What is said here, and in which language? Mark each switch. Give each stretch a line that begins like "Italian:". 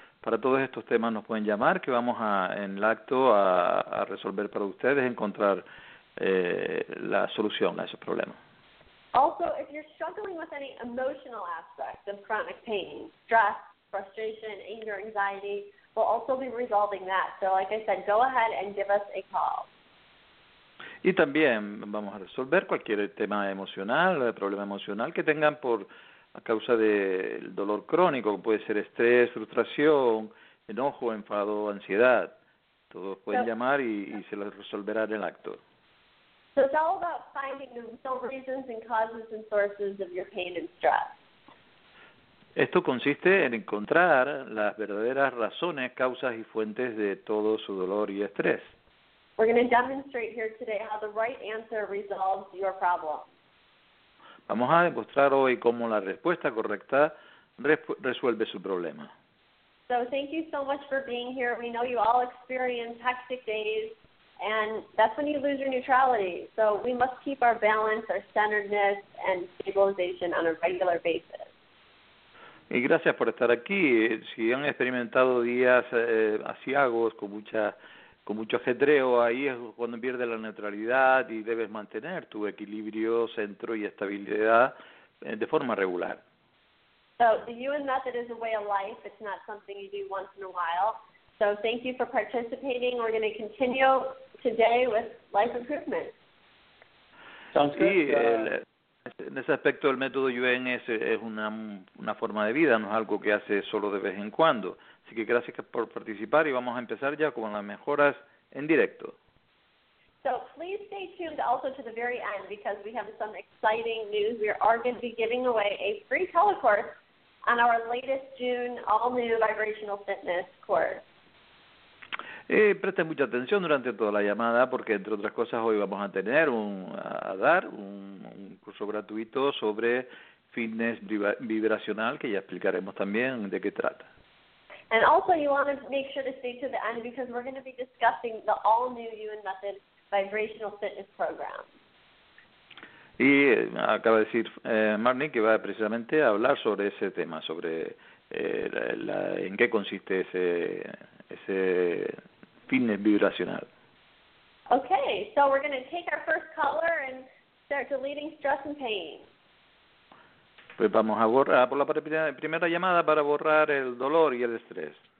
Spanish: Para todos estos temas nos pueden llamar, que vamos en el acto a resolver para ustedes, encontrar la solución a esos problemas.
English: Also, if you're struggling with any emotional aspects of chronic pain, stress, frustration, anger, anxiety, we'll also be resolving that. So, like I said, go ahead and give us a call.
Spanish: Y también vamos a resolver cualquier tema emocional, problema emocional que tengan por a causa del dolor crónico, puede ser estrés, frustración, enojo, enfado, ansiedad. Todos pueden llamar y se los resolverá en el acto.
English: So it's all about finding the real reasons and causes and sources of your pain and stress.
Spanish: Esto consiste en encontrar las verdaderas razones, causas y fuentes de todo su dolor y estrés.
English: We're going to demonstrate here today how the right answer resolves your problem.
Spanish: Vamos a demostrar hoy cómo la respuesta correcta resuelve su problema.
English: So thank you so much for being here. We know you all experience hectic days, and that's when you lose your neutrality. So we must keep our balance, our centeredness, and stabilization on a regular basis.
Spanish: Y gracias por estar aquí. Si han experimentado días aciagos con mucho ajetreo, ahí es cuando pierdes la neutralidad y debes mantener tu equilibrio, centro y estabilidad de forma regular.
English: So, the UN method is a way of life. It's not something you do once in a while. So, thank you for participating. We're going to continue today with life improvement. Sounds good.
Spanish: Y en ese aspecto, el método UN es una forma de vida, no es algo que hace solo de vez en cuando. Así que gracias por participar y vamos a empezar ya con las mejoras en directo.
English: So please stay tuned also to the very end because we have some exciting news. We are going to be giving away a free telecourse on our latest June all-new vibrational fitness course.
Spanish: Presten mucha atención durante toda la llamada porque entre otras cosas hoy vamos a dar un curso curso gratuito sobre fitness vibracional que ya explicaremos también de qué trata.
English: And also you want to make sure to stay to the end because we're going to be discussing the all new UN Method Vibrational Fitness Program.
Spanish: Y acaba de decir Marnie que va precisamente a hablar sobre ese tema, sobre en qué consiste ese fitness vibracional.
English: Okay, so we're going to take our first caller and start deleting stress and pain.
Spanish: Pues vamos a borrar por la primera llamada para borrar el dolor y el estrés.